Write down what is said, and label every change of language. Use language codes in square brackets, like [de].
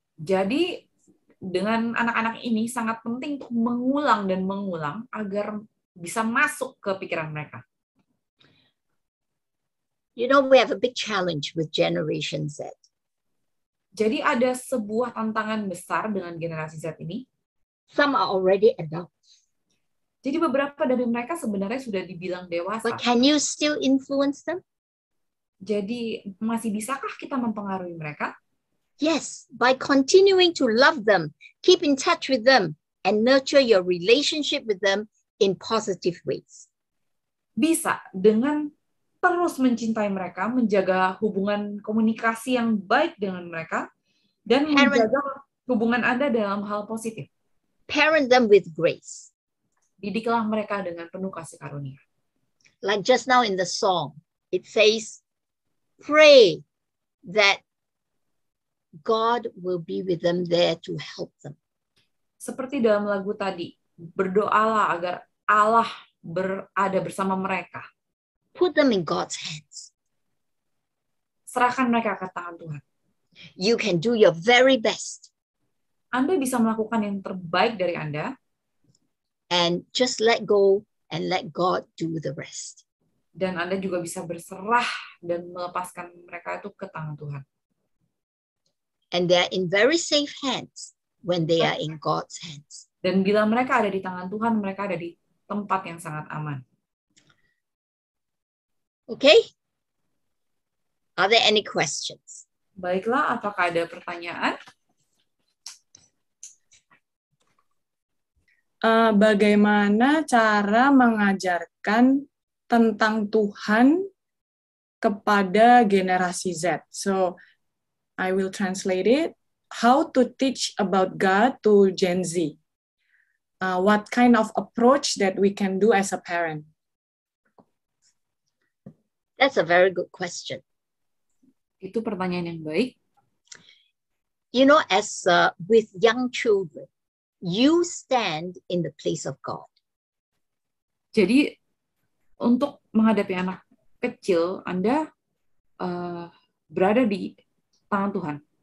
[id] Jadi dengan anak-anak ini sangat penting untuk mengulang dan mengulang agar bisa masuk ke pikiran mereka. [en] You know, we have a big challenge with Generation Z. [id] Jadi ada sebuah tantangan besar dengan generasi Z ini. [en] Some are already adults. [id] Jadi beberapa dari mereka sebenarnya sudah dibilang dewasa. [en] But can you still influence them? [id] Jadi masih bisakah kita mempengaruhi mereka? [en] Yes, by continuing to love them, keep in touch with them, and nurture your relationship with them in positive ways. [id] Bisa dengan terus mencintai mereka, menjaga hubungan komunikasi yang baik dengan mereka, dan menjaga hubungan Anda dalam hal positif. [en] Parent them with grace. [id] Didiklah mereka dengan penuh kasih karunia. [en] Like just now in the song, it says, pray that God will be with them there to help them. [id] Seperti dalam lagu tadi, berdoalah agar Allah berada bersama mereka. [en] Put them in God's hands. [id] Serahkan mereka ke tangan Tuhan. [en] You can do your very best. [id] Anda bisa melakukan yang terbaik dari Anda. [en] And just let go and let God do the rest. [id] Dan Anda juga bisa berserah dan melepaskan mereka itu ke tangan Tuhan. [en] And they are in very safe hands when they are in God's hands. [id] Dan bila mereka ada di tangan Tuhan, mereka ada di tempat yang sangat aman. [en] Okay? Are there any questions? [id] Baiklah, apakah ada pertanyaan? Bagaimana cara mengajarkan tentang Tuhan kepada generasi Z? [en] So, I will translate it. How to teach about God to Gen Z? What kind of approach that we can do as a parent? That's a very good question. [id] Itu pertanyaan yang baik. [en] You know, as with young children, you stand in the place of God. [id] Jadi untuk menghadapi anak kecil, Anda berada di tangan Tuhan.